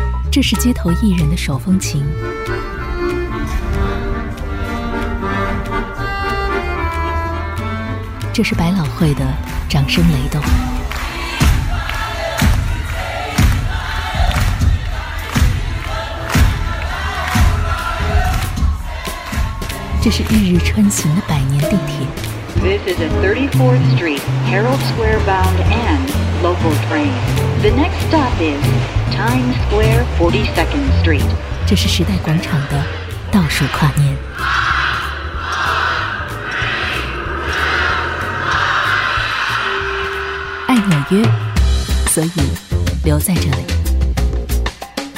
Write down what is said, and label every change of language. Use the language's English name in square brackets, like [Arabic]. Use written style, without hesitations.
[Chinese] 这是街头艺人的手风琴，这是百老汇的掌声雷动，这是日日穿行的百年地铁。 [English] This is a 34th Street, Herald Square bound and local train. The next stop is. Times Square 42nd Street. [Chinese] 这是时代广场的倒数跨年。爱纽约，所以留在这里。